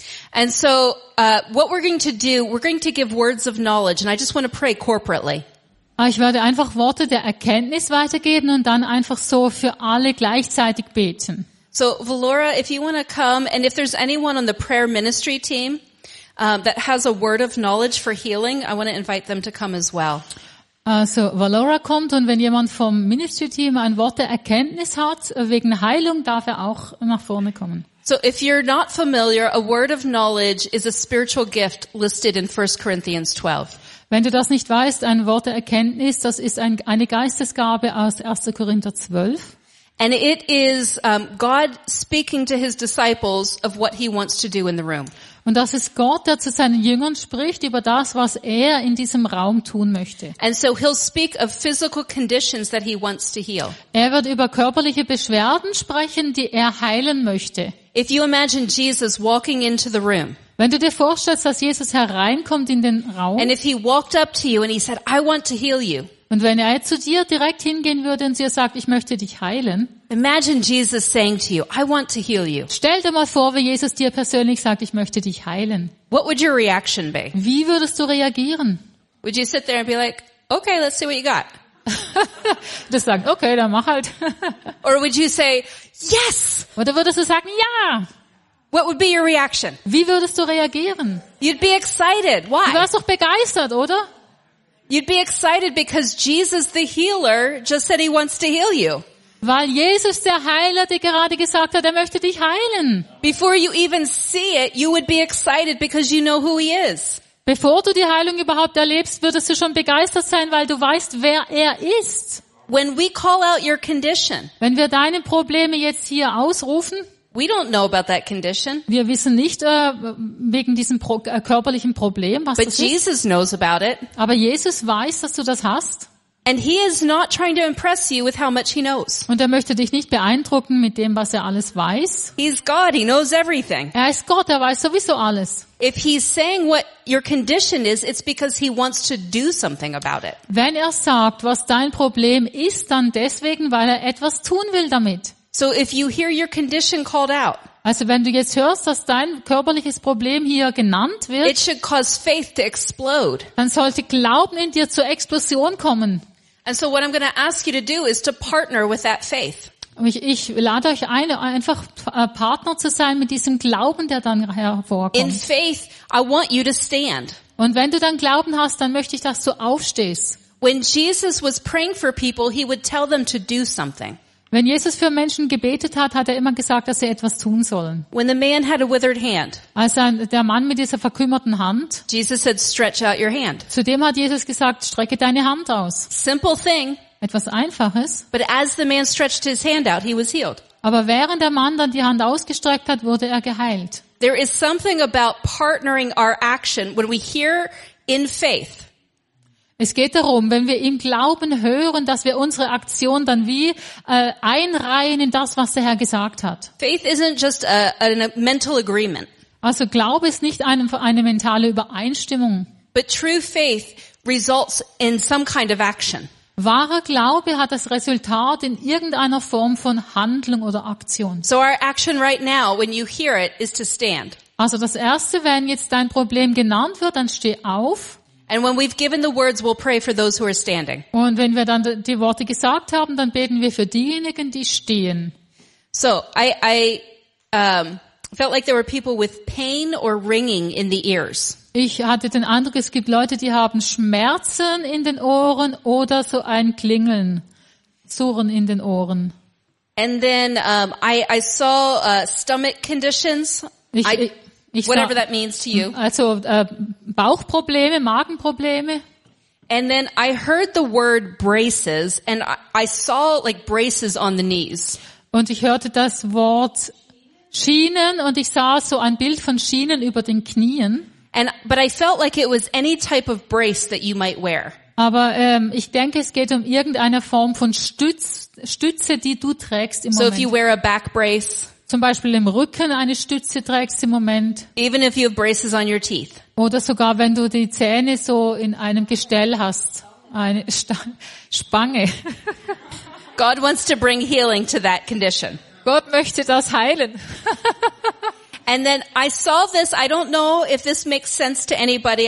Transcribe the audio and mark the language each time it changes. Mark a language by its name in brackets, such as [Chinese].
[English] And so what we're going to do, we're going to give words of knowledge, and I just want to pray corporately. [German] Ich werde einfach Worte der Erkenntnis weitergeben und dann einfach so für alle gleichzeitig beten. [English] So Valora, if you want to come, and if there's anyone on the prayer ministry team that has a word of knowledge for healing, I want to invite them to come as well. [German] Also Valora kommt, und wenn jemand vom Ministry Team ein Wort der Erkenntnis hat wegen Heilung, darf er auch nach vorne kommen. [English] So if you're not familiar, a word of knowledge is a spiritual gift listed in 1 Corinthians 12. [German] Wenn du das nicht weißt, ein Wort der Erkenntnis, das ist eine Geistesgabe aus 1. Korinther 12. [English] And it is God speaking to his disciples of what he wants to do in the room. [German] Und das ist Gott, der zu seinen Jüngern spricht über das, was er in diesem Raum tun möchte. [English] And so he'll speak of physical conditions that he wants to heal. [German] Er wird über körperliche Beschwerden sprechen, die er heilen möchte. [English] If you imagine Jesus walking into the room. [German] Wenn du dir vorstellst, dass Jesus hereinkommt in den Raum. [English] And if he walked up to you and he said, "I want to heal you." [German] Und wenn er zu dir direkt hingehen würde und dir sagt, ich möchte dich heilen. [English] Imagine Jesus saying to you, "I want to heal you." [German] Stell dir mal vor, wie Jesus dir persönlich sagt, ich möchte dich heilen. [English] What would your reaction be? [German] Wie würdest du reagieren? [English] Would you sit there and be like, "Okay, let's see what you got." [German] Das sagen, okay, dann mach halt. [English] Or would you say, yes? [German] Oder würdest du sagen, ja? [English] What would be your reaction? [German] Wie würdest du reagieren? [English] You'd be excited. Why? [German] Du wärst doch begeistert, oder? [English] You'd be excited because Jesus the healer just said he wants to heal you. [German] Weil Jesus der Heiler dir gerade gesagt hat, er möchte dich heilen. [English] Before you even see it, you would be excited because you know who he is. [German] Bevor du die Heilung überhaupt erlebst, würdest du schon begeistert sein, weil du weißt, wer er ist. [English] When we call out your condition. [German] Wenn wir deine Probleme jetzt hier ausrufen, [English] we don't know about that condition. [German] Wir wissen nicht wegen diesem körperlichen Problem, was [English] But Jesus Knows about it. [German] Aber Jesus weiß, dass du das hast. [English] And he is not trying to impress you with how much he knows. [German] Und er möchte dich nicht beeindrucken mit dem, was er alles weiß. [English] He's God, he knows everything. [German] Er ist Gott, er weiß sowieso alles. [English] If he's saying what your condition is, it's because he wants to do something about it. [German] Wenn er sagt, was dein Problem ist, dann deswegen, weil er etwas tun will damit. [English] So if you hear your condition called out, [German] also wenn du jetzt hörst, dass dein körperliches Problem hier genannt wird, [English] it should cause faith to explode. [German] Dann sollte Glauben in dir zur Explosion kommen. [English] And so what I'm going to ask you to do is to partner with that faith. [German] Ich lade euch ein, einfach Partner zu sein mit diesem Glauben, der dann hervorkommt. [English] In faith, I want you to stand. [German] Und wenn du dann Glauben hast, dann möchte ich, dass du aufstehst. [English] When Jesus was praying for people, he would tell them to do something. [German] Wenn Jesus für Menschen gebetet hat, hat er immer gesagt, dass sie etwas tun sollen. [English] When the man had a withered hand, [German] als der Mann mit dieser verkümmerten Hand, [English] Jesus said, stretch out your hand. [German] Zu dem hat Jesus gesagt, strecke deine Hand aus. [English] Simple thing, [German] etwas Einfaches. [English] But as the man stretched his hand out, he was healed. [German] Aber während der Mann dann die Hand ausgestreckt hat, wurde er geheilt. [English] There is something about partnering our action when we hear in faith. [German] Es geht darum, wenn wir im Glauben hören, dass wir unsere Aktion dann wie einreihen in das, was der Herr gesagt hat. [English] Faith isn't just a mental agreement. [German] Also Glaube ist nicht eine mentale Übereinstimmung. [English] But true faith results in some kind of action. [German] Wahrer Glaube hat das Resultat in irgendeiner Form von Handlung oder Aktion. [English] So our action right now, when you hear it, is to stand. [German] Also das Erste, wenn jetzt dein Problem genannt wird, dann steh auf. [English] And when we've given the words, we'll pray for those who are standing. [German] Und wenn wir dann die Worte gesagt haben, dann beten wir für diejenigen, die stehen. [English] So, I felt like there were people with pain or ringing in the ears. [German] Ich hatte den Eindruck, es gibt Leute, die haben Schmerzen in den Ohren oder so ein Klingeln, Surren in den Ohren. [English] And then I saw stomach conditions. Whatever that means to you. [German] Also Bauchprobleme, Magenprobleme. [English] And then I heard the word braces, and I saw like braces on the knees. [German] Und ich hörte das Wort Schienen, und ich sah so ein Bild von Schienen über den Knien. [English] But I felt like it was any type of brace that you might wear. [German] Aber ich denke, es geht um irgendeine Form von Stütze, die du trägst im Moment. [English] So if you wear a back brace. [German] Zum Beispiel im Rücken eine Stütze trägst im Moment. [English] Even if you have braces on your teeth. [German] Oder sogar wenn du die Zähne so in einem Gestell hast, eine Spange. [English] God wants to bring healing to that condition. [German] Gott möchte das heilen. [English] And then I saw this. I don't know if this makes sense to anybody.